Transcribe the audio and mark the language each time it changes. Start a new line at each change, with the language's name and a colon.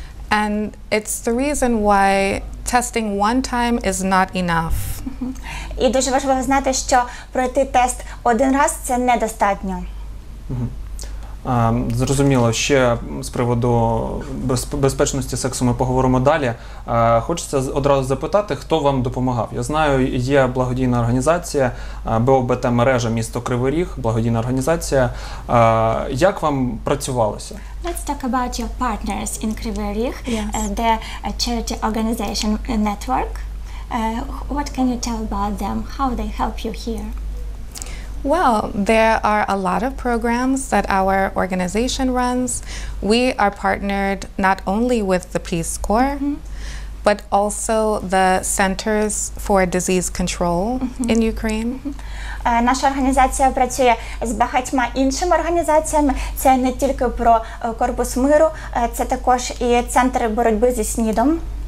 English: And it's the reason why testing one time is not enough.
Ukrainian: І дуже важливо знати, що пройти тест один раз – це недостатньо. Зрозуміло. Ще з приводу безпечності сексу ми поговоримо далі. Хочеться одразу запитати, хто вам допомагав. Я знаю, є благодійна організація, БОБТ-мережа місто Кривий Ріг, благодійна організація. Як вам працювалося?
English: Let's talk about your partners in Кривий Ріг, the charity organization network. What can you tell about them? How they help you here? Well, there are a lot of programs that our organization runs. We are partnered not only with the Peace Corps, but also the Centers for Disease Control in Ukraine.
Ukrainian: Наша організація працює з багатьма іншими організаціями. Це не тільки про Корпус Миру, це також і Центр боротьби зі СНІДом.